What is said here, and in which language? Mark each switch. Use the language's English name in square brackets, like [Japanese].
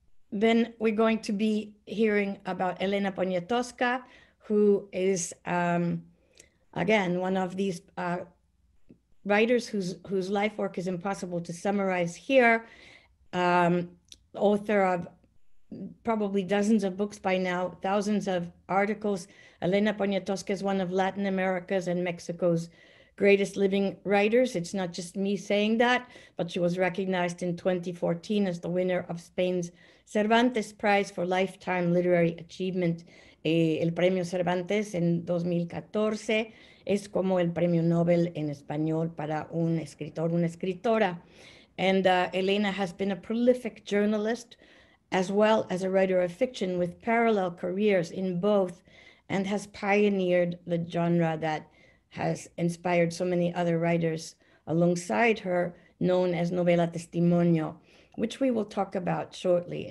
[English] Then we're going to be hearing about Elena Poniatowska, who is, again, one of these writers whose life work is impossible to summarize here, author of probably dozens of books by now, thousands of articles. Elena Poniatowska is one of Latin America's and Mexico's greatest living writers. It's not just me saying that, but she was recognized in 2014 as the winner of Spain's Cervantes Prize for Lifetime Literary Achievement. [Spanish] El Premio Cervantes en 2014 es como el Premio Nobel en Español para un escritor, una escritora. [English] And Elena has been a prolific journalist as well as a writer of fiction with parallel careers in both, and has pioneered the genre that has inspired so many other writers alongside her, known as novela testimonio, which we will talk about shortly.